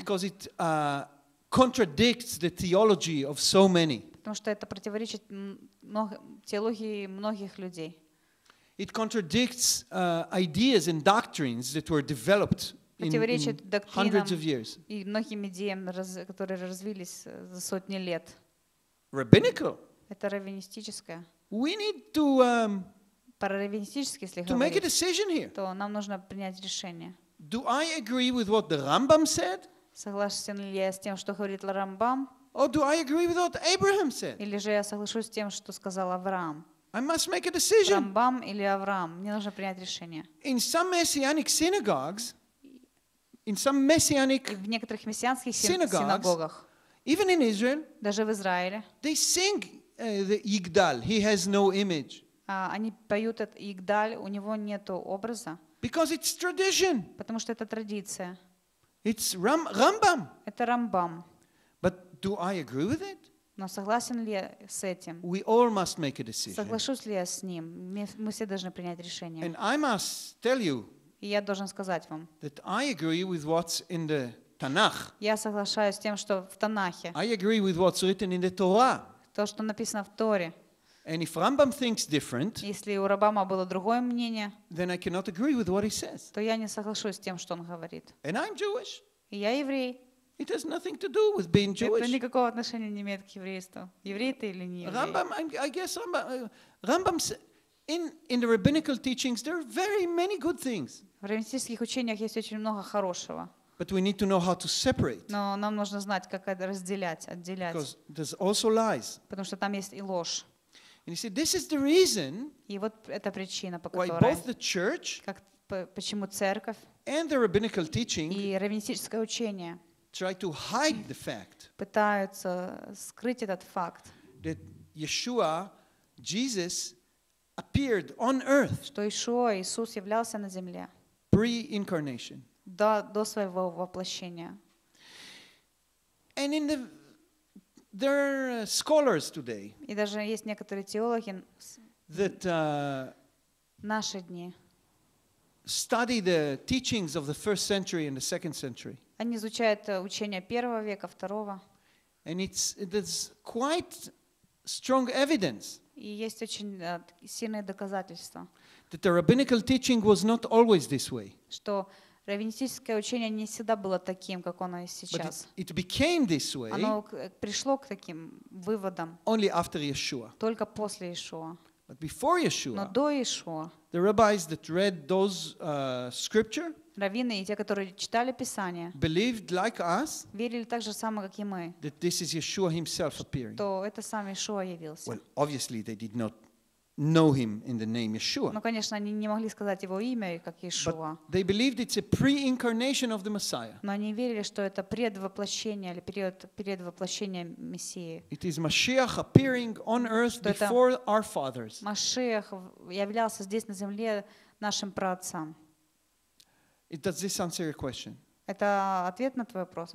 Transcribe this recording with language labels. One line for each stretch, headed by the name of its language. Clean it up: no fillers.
English: Because it contradicts the theology of so many.
Russian: Потому что это противоречит теологии многих людей.
English: It contradicts ideas and doctrines that were developed in hundreds of years.
Russian: И многим идеям, которые развились за сотни лет.
English: Rabbinical.
Russian: Это раввинистическое.
English: We need to make a decision here.
Russian: То нам нужно принять решение.
English: Do I agree with what the Rambam said?
Russian: Согласен ли я с тем, что говорит Рамбам?
English: Or do I agree with what Abraham said?
Russian: Или же я соглашусь с тем, что сказал Авраам?
English: I must make a decision.
Russian: Рамбам или Авраам? Мне нужно принять решение.
English: In some messianic synagogues,
Russian: в некоторых мессианских синагогах,
English: even in Israel,
Russian: даже в Израиле,
English: they sing. The Yigdal, he has no image.
Russian: Они поют этот Yigdal, у него нету образа.
English: Because it's tradition.
Russian: Потому что это традиция.
English: It's Rambam.
Russian: Это Рамбам.
English: But do I agree with it?
Russian: Но согласен ли я с этим?
English: We all must make a decision.
Russian: Соглашусь ли я с ним? Мы все должны принять решение.
English: And I must tell you.
Russian: И я должен сказать вам.
English: That I agree with what's in the Танах.
Russian: Я соглашаюсь с тем, что в Танахе.
English: I agree with what's written in the Torah.
Russian: То, что написано в Торе.
English: And if Rambam thinks different,
Russian: если у Рабама было другое мнение,
English: then I cannot agree with what he says.
Russian: То я не соглашусь с тем, что он говорит.
English: And I'm Jewish.
Russian: И я еврей.
English: It has nothing to do with being Jewish.
Russian: Это никакого отношения не имеет к еврейству. Еврей ты или не еврей?
English: Rambam, I guess Rambam, in the rabbinical teachings there are very many good things.
Russian: В раввинических учениях есть очень много хорошего.
English: But we need to know how to separate.
Russian: Но нам нужно знать, как это разделять, отделять.
English: Because there's also lies.
Russian: Потому что там есть и ложь.
English: And you see, this is the reason.
Russian: И вот эта причина, по которой.
English: Why both the church?
Russian: Как почему церковь?
English: And the rabbinical teaching.
Russian: И раввинистическое учение.
English: Try to hide the fact.
Russian: Пытаются скрыть этот факт.
English: That Yeshua, Jesus, appeared on earth.
Russian: Что Иешуа, Иисус являлся на земле.
English: Pre-incarnation.
Russian: До своего воплощения.
English: And in the there are scholars today.
Russian: И даже есть некоторые теологи.
English: That
Russian: наши дни.
English: Study the teachings of the first century and the second century.
Russian: Они изучают учения первого века, второго.
English: And it's quite strong evidence.
Russian: И есть очень сильные доказательства.
English: That the rabbinical teaching was not always this way.
Russian: Что раввинистическое учение не всегда было таким, как оно есть сейчас.
English: But it became this way.
Russian: Оно пришло к таким выводам.
English: Only after Yeshua.
Russian: Только после Иешуа.
English: But before Yeshua.
Russian: Но до Иешуа.
English: The rabbis that read those scripture.
Russian: Раввины и те, которые читали Писание,
English: believed like us,
Russian: верили так же самое, как и мы,
English: that this is Yeshua himself appearing.
Russian: Что это сам Иешуа явился.
English: Well, obviously they did not know him in the name Yeshua.
Russian: Но, конечно, они не могли сказать его имя, как Иешуа.
English: But they believed it's a pre-incarnation of the Messiah.
Russian: Но они верили, что это предвоплощение или период предвоплощения Мессии.
English: It is Mashiach appearing on earth before our fathers.
Russian: Машиах являлся здесь на земле нашим праотцам.
English: It does this answer your question?
Russian: Это ответ на твой вопрос.